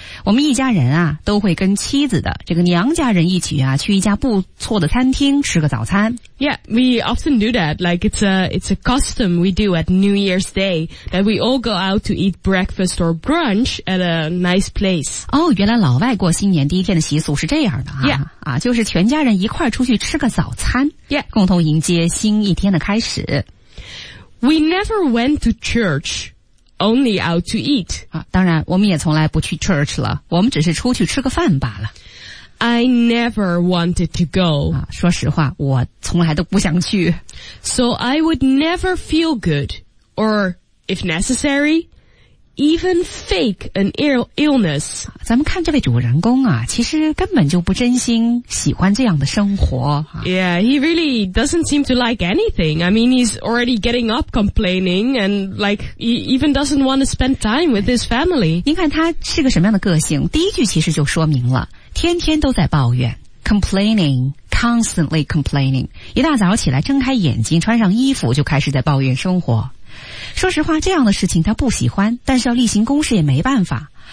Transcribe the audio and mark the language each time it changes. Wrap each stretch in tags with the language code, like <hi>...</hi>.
<zh>我们一家人啊都会跟妻子的这个娘家人一起啊去一家不错的餐厅吃个早餐。</zh> <en>Yeah, we often do that, like it's a custom we do at New Year's Day, that we all go out to eat breakfast or brunch at a nice place.</en> <zh>哦、oh, 原来老外过新年第一天的习俗是这样的啊。</zh> <en>Yeah.</en> <zh>啊就是全家人一块出去吃个早餐。</zh> <en>Yeah.</en> <zh>共同迎接新一天的开始。</zh> <en>We never went to church. Only out to eat.</en> <zh>啊，当然，我们也从来不去 church 了，我们只是出去吃个饭罢了。</zh> <en>I never wanted to go.</en> <zh>啊，说实话，我从来都不想去。</zh> <en>So I would never feel good, or if necessary, even fake an illness.</en> <zh>咱们看这位主人公啊，其实根本就不真心喜欢这样的生活。</zh> <en>Yeah, he really doesn't seem to like anything. I mean, he's already getting up complaining and like, he even doesn't want to spend time with his family.</en> <zh>您看他是个什么样的个性，第一句其实就说明了，天天都在抱怨。</zh> <en>Complaining, constantly complaining.</en> <zh>一大早起来睁开眼睛穿上衣服就开始在抱怨生活。说实话，这样的事情他不喜欢，但是要例行公事也没办法。</zh>